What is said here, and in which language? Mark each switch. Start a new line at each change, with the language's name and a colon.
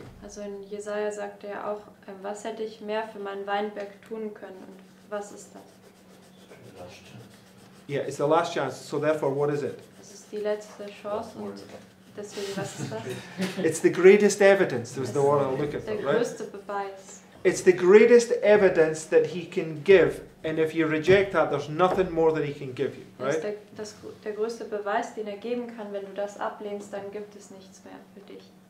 German: Also in Jesaja sagt er auch, was hätte ich mehr für meinen Weinberg tun können und was ist das?
English: Yeah, it's the last chance, so therefore, what is it?
German: Es ist die letzte Chance und deswegen, was ist das?
English: It's the greatest evidence, is the one I'm looking for, right?
German: Der größte Beweis.
English: It's the greatest evidence that he can give. And if you reject that, there's nothing more that he can give you, right?
German: Das ist der größte Beweis, den er geben kann. Wenn du das ablehnst, dann gibt es nichts mehr für dich.